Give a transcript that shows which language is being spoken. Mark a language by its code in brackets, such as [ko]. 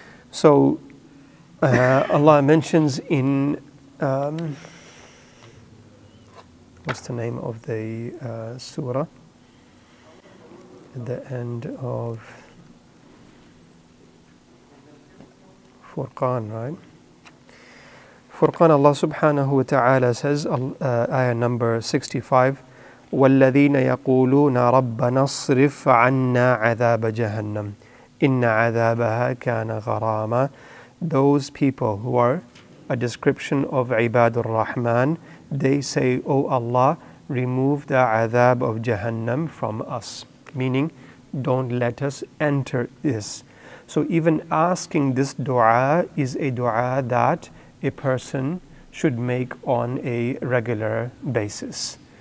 [en] So Allah mentions in what's the name of the surah? At the end of Furqan, right? [ar] Furqan, Allah subhanahu wa ta'ala [en] says, ayah number 65, [ar] وَالَّذِينَ يَقُولُونَ رَبَّنَا اصْرِفْ عَنَّا عَذَابَ جَهَنَّمْ إِنَّ عَذَابَهَا كَانَ غَرَامًا. [en] Those people who are a description of Ibadur Rahman, they say, O Allah, remove the azab of Jahannam from us. Meaning, don't let us enter this. So even asking this dua is a dua that a person should make on a regular basis.